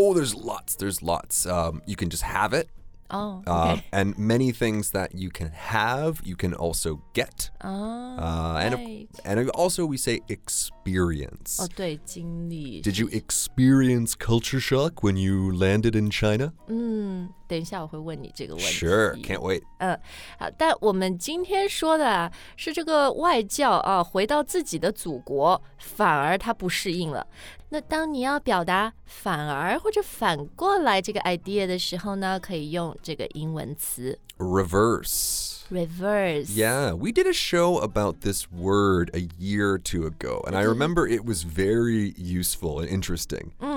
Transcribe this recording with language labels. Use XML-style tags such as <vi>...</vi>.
<en>Oh, there's lots, there's lots、you can just have it、and many things that you can have you can also get、and also we say experience</en> <zh>对经历</zh> <en>Did you experience culture shock when you landed in China?</en> <zh>等一下我会问你这个问题。</zh> <en>Sure, can't wait.</en> <zh>好，但我们今天说的是这个外教啊，回到自己的祖国，反而他不适应了。那当你要表达反而或者反过来这个 idea 的时候呢，可以用这个英文词</zh> <en>reverse. Reverse. Yeah, we did a show about this word a year or two ago, and I remember it was very useful and interesting.</en>